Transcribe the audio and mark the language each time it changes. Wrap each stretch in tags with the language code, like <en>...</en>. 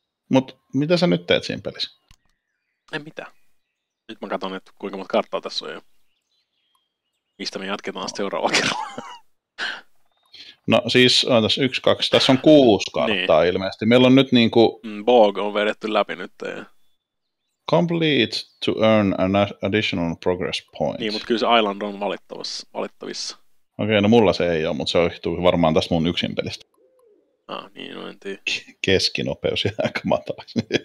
<fi>Mut mitä sä nyt teet siinä pelissä? En mitään. Nyt mä katson, että kuinka monta karttaa tässä on jo. Mistä me jatketaan sitten seuraavalla kerralla? No siis on tässä 1, 2. Tässä on 6 karttaa niin ilmeisesti. Meillä on nyt niinku... Bog on vedetty läpi nyt. Ja...</fi> <en>Complete to earn an additional progress point.</en> <fi>Niin, mut kyllä se island on valittavissa. Okei, no mulla se ei ole, mutta se johtuu varmaan tästä mun yksin pelistä. Ah, niin, no en tiedä. Keskinopeus jää aika matalaksi.</fi>